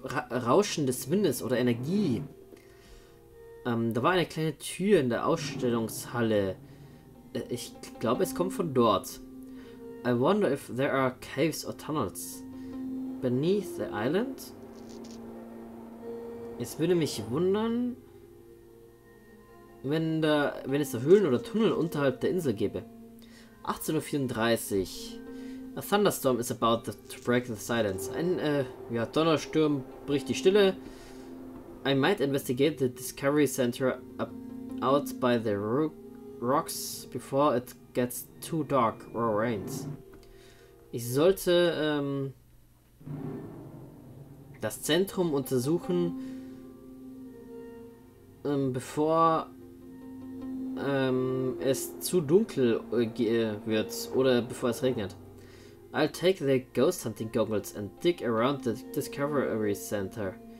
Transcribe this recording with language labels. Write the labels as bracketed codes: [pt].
[de] Rauschen des Windes oder Energie. Da war eine kleine Tür in der Ausstellungshalle. Ich glaube, es kommt von dort. [en] I wonder if there are caves or tunnels beneath the island. [de] Es würde mich wundern, wenn es da Höhlen oder Tunnel unterhalb der Insel gäbe. 18.34 Uhr. [en] A thunderstorm is about to break the silence. [de] Ein Donnersturm bricht die Stille. [en] I might investigate the Discovery Center out by the rocks before it gets too dark or rains. [de] Ich sollte das Zentrum untersuchen, bevor es zu dunkel wird oder bevor es regnet. [en] I'll take the ghost hunting goggles and dig around the Discovery Center.